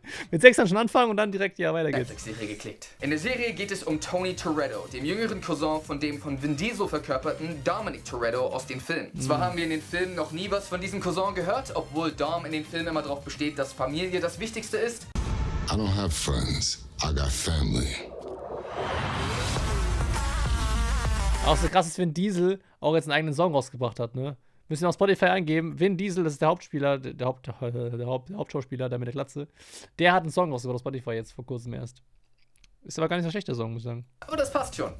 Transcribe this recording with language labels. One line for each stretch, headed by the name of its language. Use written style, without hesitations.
German: Mit 6 dann schon anfangen und dann direkt ja weiter geht's. Netflix-Serie geklickt. In der Serie geht es um Tony Toretto, dem jüngeren Cousin von dem von Vin Diesel verkörperten Dominic Toretto aus den Filmen. Zwar haben wir in den Filmen noch nie was von diesem Cousin gehört, obwohl Dom in den Filmen immer darauf besteht, dass Familie das Wichtigste ist.
English: I don't have friends, I got family.
German: Auch so krass, dass Vin Diesel auch jetzt einen eigenen Song rausgebracht hat, ne? Müssen wir auf Spotify eingeben, Vin Diesel, das ist der Hauptspieler, der Hauptschauspieler, der mit der Glatze, der hat einen Song rausgebracht auf Spotify jetzt vor kurzem erst. Ist aber gar nicht so schlecht, der Song, muss ich sagen. Aber das passt schon.